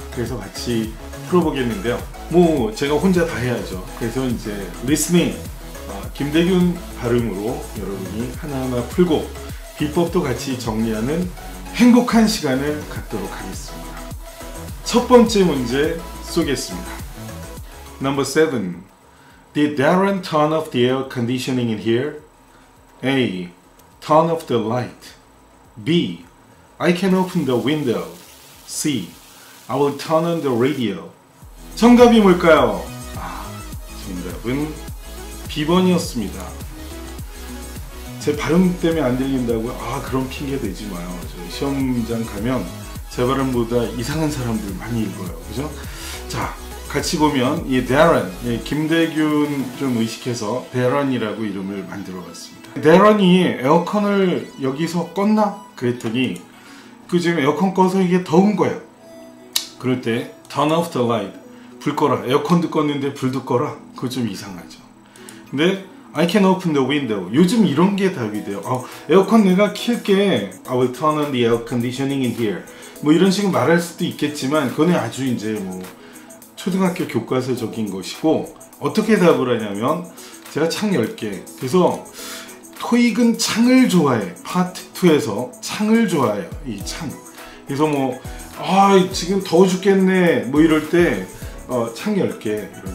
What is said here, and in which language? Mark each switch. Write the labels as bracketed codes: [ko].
[ko] 그래서 같이 풀어보겠는데요. 뭐 제가 혼자 다 해야죠. 그래서 이제 리스닝 김대균 발음으로 여러분이 하나하나 풀고 비법도 같이 정리하는 행복한 시간을 갖도록 하겠습니다. 첫 번째 문제 쏘겠습니다. [en] Number 7. Did Darren turn off the air conditioning in here? A. Turn off the light. B. I can open the window. C. I will turn on the radio. [ko] 정답이 뭘까요? 정답은 B번이었습니다. 제 발음 때문에 안 들린다고요? 그런 핑계 대지 마요. 저희 시험장 가면 제 발음보다 이상한 사람들 많이 읽어요. 그죠? 자, 같이 보면 이 Darren, 김대균 좀 의식해서 Darren이라고 이름을 만들어봤습니다. Darren이 에어컨을 여기서 껐나? 그랬더니 그 지금 에어컨 꺼서 이게 더운 거야. 그럴 때 [en] turn off the light, [ko] 불 꺼라. 에어컨도 껐는데 불도 꺼라. 그거 좀 이상하죠. 근데 [en] I can open the window. [ko] 요즘 이런 게 답이 돼요. 에어컨 내가 켤게. [en] I will turn on the air conditioning in here. [ko] 뭐 이런 식으로 말할 수도 있겠지만 그거는 아주 이제 뭐 초등학교 교과서적인 것이고 어떻게 답을 하냐면 제가 창 열게. 그래서 토익은 창을 좋아해. 파트 2에서 창을 좋아해요. 이 창. 그래서 뭐 지금 더워 죽겠네 뭐 이럴 때 창 열게.